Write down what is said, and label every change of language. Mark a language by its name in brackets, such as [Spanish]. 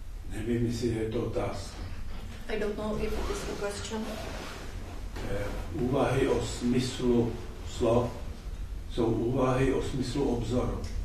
[Czech] Nevím, jestli je to otázka. [English] I don't know if it is a question. [Czech] Úvahy o smyslu slov jsou úvahy o smyslu obzoru.